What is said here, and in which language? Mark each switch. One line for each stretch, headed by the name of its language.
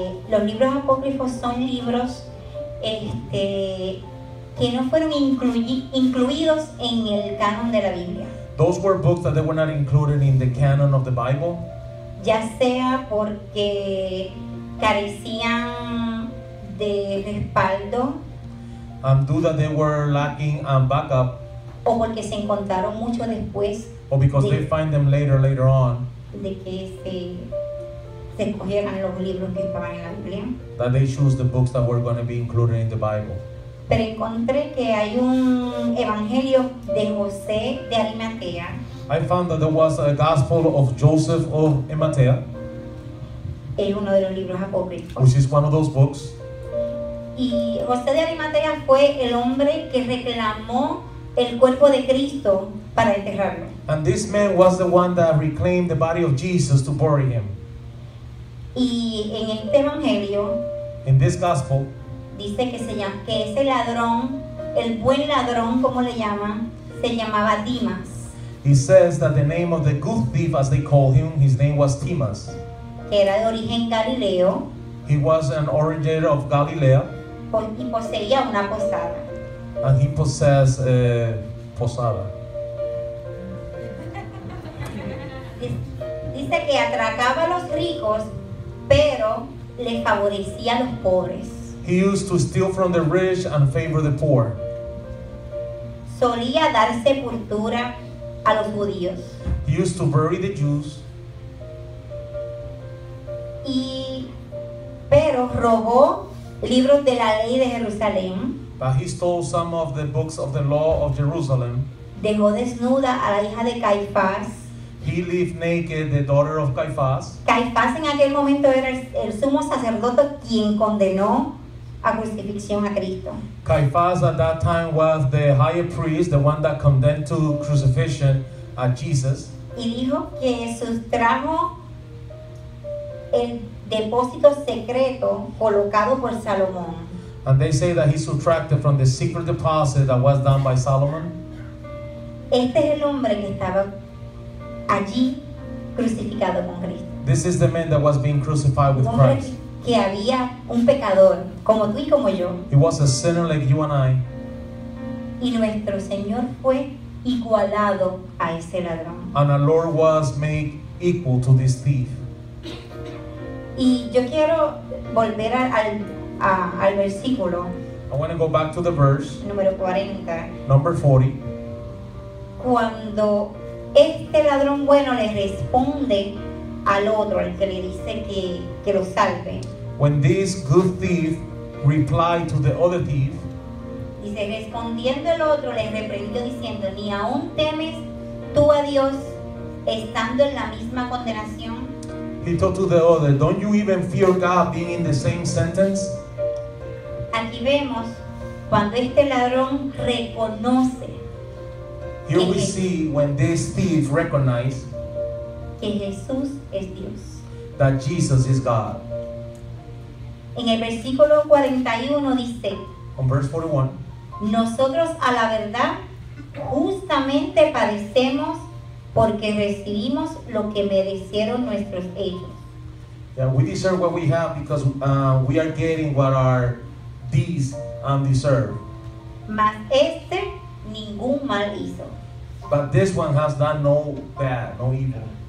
Spanish: Los libros apócrifos son libros que no fueron incluidos en el canon de la Biblia.
English: Those were books that they were not included in the canon of the Bible.
Spanish: Ya sea porque carecían de respaldo.
English: Due that they were lacking backup.
Spanish: O porque se encontraron mucho después.
English: Or because they find them later on.
Spanish: De que se cogieran los libros que estaban en la Biblia.
English: That they choose the books that were going to be included in the Bible.
Spanish: Pero encontré que hay un evangelio de José de Arimatea.
English: I found that there was a gospel of Joseph of Arimatea.
Spanish: Es uno de los libros apócrifos.
English: Which is one of those books.
Spanish: Y José de Arimatea fue el hombre que reclamó el cuerpo de Cristo para enterrarlo.
English: And this man was the one that reclaimed the body of Jesus to bury him.
Spanish: Y en este evangelio,
English: in this gospel,
Spanish: dice que se llama, que ese ladrón, el buen ladrón, como le llaman, se llamaba Dimas.
English: He says that the name of the good thief, as they call him, his name was Dimas.
Spanish: Que era de origen galileo.
English: He was an originator of Galilea.
Spanish: Y poseía una posada.
English: And he possessed a posada.
Spanish: Dice que atracaba a los ricos, pero le favorecía a los pobres.
English: He used to steal from the rich and favor the poor.
Spanish: Solía dar sepultura a los judíos.
English: He used to bury the Jews.
Spanish: Pero robó libros de la ley de Jerusalén.
English: But he stole some of the books of the law of Jerusalem.
Spanish: Dejó desnuda a la hija de Caifás.
English: He lived naked, the daughter of Caifás.
Spanish: Caifás en aquel momento era el sumo sacerdote quien condenó a crucifixión a Cristo.
English: Caifás at that time was the higher priest, the one that condemned to crucifixion a Jesus.
Spanish: Y dijo que sustrajo el depósito secreto colocado por Salomón.
English: And they say that he subtracted from the secret deposit that was done by Solomon.
Spanish: Este es el hombre que estaba allí crucificado con Cristo.
English: This is the man that was being crucified with Christ.
Spanish: Que había un pecador como tú y como yo.
English: He was a sinner like you and I.
Spanish: Y nuestro Señor fue igualado a ese ladrón.
English: And our Lord was made equal to this thief.
Spanish: Y yo quiero volver al versículo.
English: I want to go back to the verse.
Spanish: Número 40.
English: Number 40.
Spanish: Cuando este ladrón bueno le responde al otro, al que le dice que lo salve.
English: When this good thief replied to the other thief.
Spanish: Dice, respondiendo el otro le reprendió diciendo, ni aún temes tú a Dios estando en la misma condenación.
English: He told to the other, don't you even fear God being in the same sentence?
Spanish: Aquí vemos cuando este ladrón reconoce.
English: Here we see when this thief recognized que Jesús es Dios. That Jesus is God.
Spanish: En el versículo 41 dice,
English: on verse 41,
Spanish: nosotros a la verdad justamente padecemos porque recibimos lo que merecieron nuestros hechos.
English: Yeah, we deserve what we have because we are getting what our deeds deserve.
Spanish: Mas este ningún mal hizo.
English: But this one has done no bad, no evil.